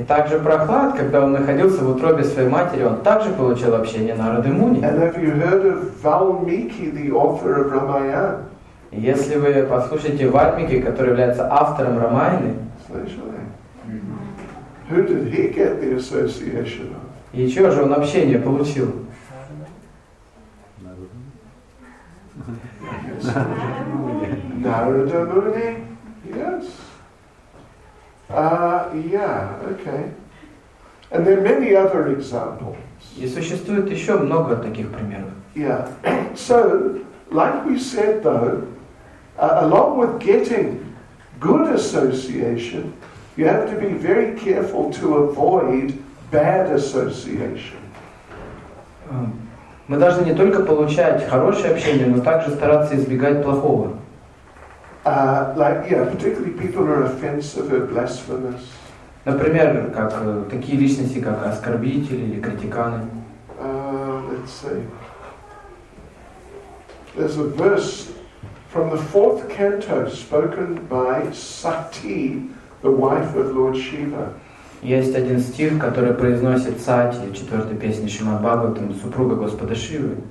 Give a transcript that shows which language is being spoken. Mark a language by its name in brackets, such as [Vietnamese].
[Russian] И также Прохлад, когда он находился в утробе своей матери, он также получил общение Нарады Муни. [English] And have you heard of Valmiki, the author of Ramayana? [Russian] Если вы послушаете Вальмики, который является автором Рамаяны, слышали? [English] Who did he get the association of? [Russian] И чье же он общение получил? [English] Narada Muni, yes. Okay. And there are many other examples. [Russian] И существует еще много таких примеров. [English] Yeah. So, like we said, though, along with getting good association, you have to be very careful to avoid bad association. [Russian] Мы должны не только получать хорошее общение, но также стараться избегать плохого. [English] Particularly people who are offensive or blasphemous. [Russian] Например, как такие личности, как оскорбители или критиканы. [English] Let's see. There's a verse from the fourth canto spoken by Sati, the wife of Lord Shiva. [Russian] Есть один стих, который произносит Сати, четвертой песни Шримад-Бхагаватам, супруга Господа Шивы.